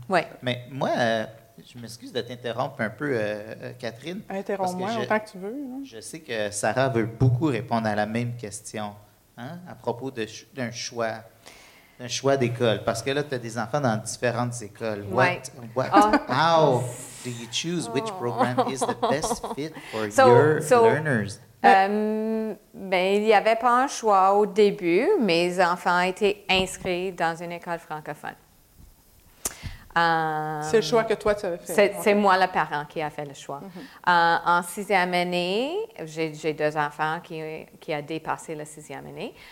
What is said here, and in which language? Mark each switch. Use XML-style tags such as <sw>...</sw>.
<fr>Oui. Mais moi, je m'excuse de t'interrompre un peu, Catherine. Interromps-moi autant que tu veux. Hein? Je sais que Sarah veut beaucoup répondre à la même question à propos d'un choix. Un choix d'école, parce que là, tu as des enfants dans différentes écoles.</fr> <en>How do you choose which program is the best fit for your learners?</en> <fr>Bien, il n'y avait pas un choix au début. Mes enfants étaient inscrits dans une école francophone. C'est le choix que toi, tu avais fait. C'est moi, le parent, qui a fait le choix. Mm-hmm. En sixième année, j'ai deux enfants qui ont dépassé la sixième année.</fr>